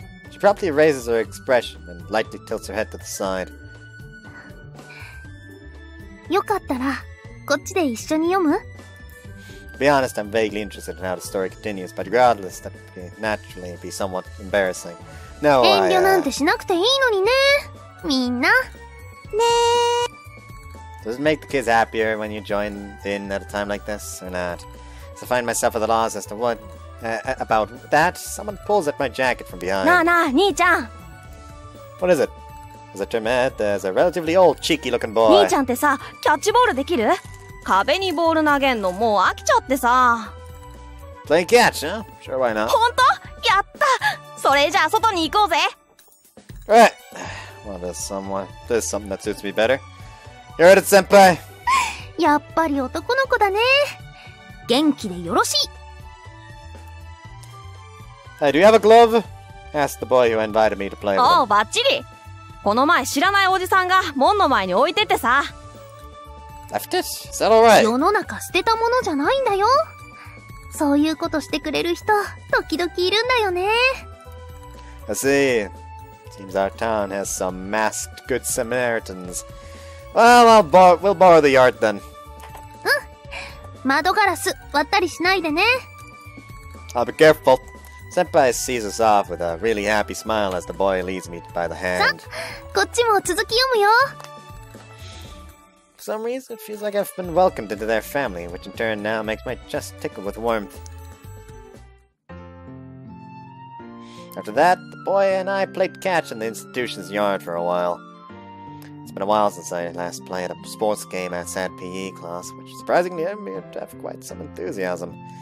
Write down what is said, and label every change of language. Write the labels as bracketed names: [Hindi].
[English] She promptly raises her expression and lightly tilts her head to the side. [Japanese] よかったら、こっちで一緒に読む? [English] To be honest, I'm vaguely interested in how the story continues, but regardless, that would naturally be somewhat embarrassing. No, [Japanese] 遠慮なんてしなくていいのにね、みんな。ねえ。 [English] Does it make the kids happier when you join in at a time like this, or not? So I find myself at the loss as to what... about that, someone pulls at my jacket from behind. [Japanese] Nah, 兄ちゃん! [English] What is it? As I turn my head, there's a relatively old, cheeky-looking boy. [Japanese] 兄ちゃんってさ、キャッチボールできる?壁にボール投げんのもう飽きちゃってさ。 [English] Play catch, huh? Sure, why not? [Japanese] 本当?やった! それじゃあ外に行こうぜ! [English] Alright. Well, there's something that suits me better. You're at it, senpai! [Japanese] やっぱり男の子だね。元気でよろしい。 [English] Hey, do you have a glove? Asked the boy who invited me to play with him. [Japanese] Oh, バッチリ! この前、知らないおじさんが門の前に置いててさ。 [English] After this, is that alright? [Japanese] 世の中捨てたものじゃないんだよ。そういうことしてくれる人、時々いるんだよね。 [English] I see. Seems our town has some masked good Samaritans. Well, we'll borrow the yard then. [Japanese] うん。窓ガラス割ったりしないでね。 [English] I'll be careful. Senpai sees us off with a really happy smile as the boy leads me by the hand. [Japanese] さ、こっちも続き読むよ。 [English] For some reason, it feels like I've been welcomed into their family, which in turn now makes my chest tickle with warmth. After that, the boy and I played catch in the institution's yard for a while. It's been a while since I last played a sports game outside PE class, which surprisingly appeared to have quite some enthusiasm.